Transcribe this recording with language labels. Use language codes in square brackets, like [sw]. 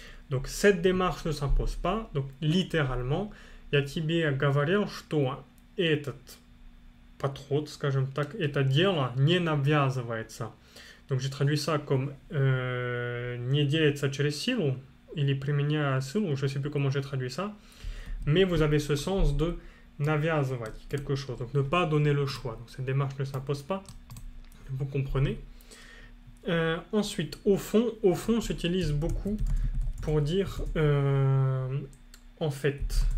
[fr] Donc cette démarche ne s'impose pas, donc littéralement. [ru] Я тебе говорил, что этот подход, скажем так, это дело не навязывается. [fr] Donc j'ai traduit ça comme [ru] не делается через силу, или применяя силу, [fr] je ne sais plus comment j'ai traduit ça. Mais vous avez ce sens de навязывать quelque chose, donc ne pas donner le choix. Donc cette démarche ne s'impose pas, vous comprenez. Ensuite, au fond, s'utilise beaucoup pour dire en fait.